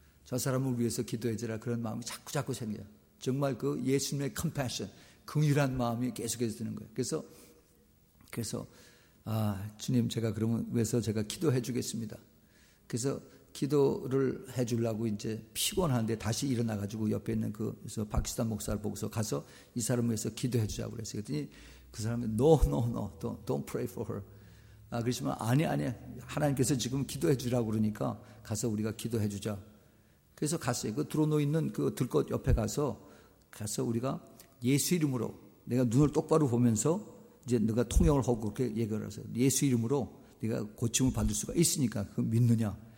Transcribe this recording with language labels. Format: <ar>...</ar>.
<ko>저 사람을 위해서 기도해 주라. 그런 마음이 자꾸 생겨요. 정말 그 예수님의 컴패션, 긍휼한 마음이 계속해서 드는 거예요. 그래서, 아, 주님, 제가 그러면 위해서 제가 기도해 주겠습니다. 그래서 기도를 해 주려고 이제 피곤한데 다시 일어나가지고 옆에 있는 그래서 파키스탄 목사를 보고서 가서 이 사람을 위해서 기도해 주자고 그랬어요. 그랬더니 그 사람이</ko> <en>no, don't pray for her.</en> <ko>아, 그러시면 아니, 하나님께서 지금 기도해 주라고 그러니까 가서 우리가 기도해 주자. 그래서 갔어요. 그 드러누워 있는 그 들것 옆에 가서 우리가 예수 이름으로 내가 눈을 똑바로 보면서 이제 네가 통역을 하고 그렇게 얘기를 하세요. 예수 이름으로 네가 고침을 받을 수가 있으니까 그 믿느냐?</ko>